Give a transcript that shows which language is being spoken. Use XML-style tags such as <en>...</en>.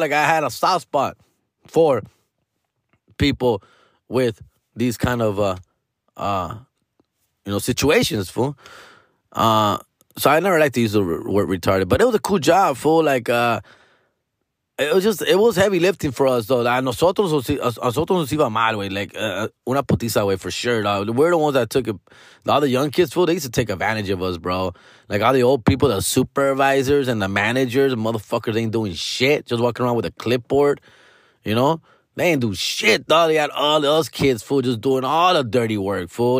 <en>Like, I had a soft spot for people with these kind of, situations, fool. So, I never liked to use the word retarded. But it was a cool job, fool. Like, It was heavy lifting for us, though.</en> <es>Nosotros nos iba mal, güey.</es> <en>Like,</en> <es>una putiza, güey,</es> <en>for sure, dog. We're the ones that took it. All the young kids, fool, they used to take advantage of us, bro. Like, all the old people, the supervisors and the managers, the motherfuckers ain't doing shit. Just walking around with a clipboard, you know? They ain't do shit, dog. They had all us kids, fool, just doing all the dirty work, fool.</en>